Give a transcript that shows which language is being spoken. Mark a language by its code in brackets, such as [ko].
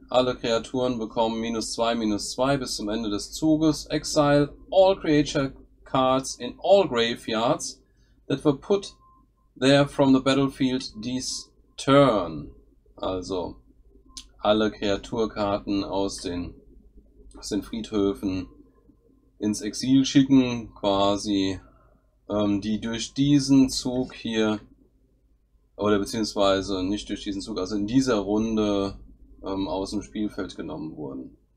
[de] Alle Kreaturen bekommen -2/-2 bis zum Ende des Zuges. [en] Exile. All creature cards in all graveyards that were put there from the battlefield this turn. [de] Also alle Kreaturkarten aus den Friedhöfen ins Exil schicken, quasi, die durch diesen Zug hier, oder beziehungsweise nicht durch diesen Zug, also in dieser Runde aus dem Spielfeld genommen wurden.